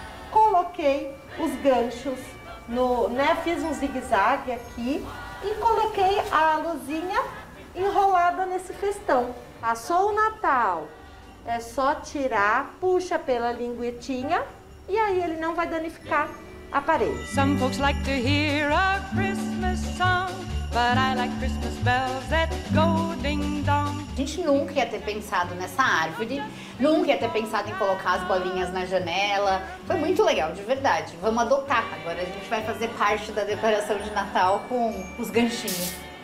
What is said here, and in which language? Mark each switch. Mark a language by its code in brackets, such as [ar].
[pt] Coloquei os ganchos no, né, fiz um zigue-zague aqui e coloquei a luzinha enrolada nesse festão. Passou o Natal. É só tirar, puxa pela linguetinha e aí ele não vai danificar a parede. [en] Some folks like to hear a Christmas song, but I like Christmas bells that go ding dong. [pt] A gente nunca ia ter pensado nessa árvore, nunca ia ter pensado em colocar as bolinhas na janela. Foi muito legal, de verdade. Vamos adotar. Agora a gente vai fazer parte da decoração de Natal com os ganchinhos.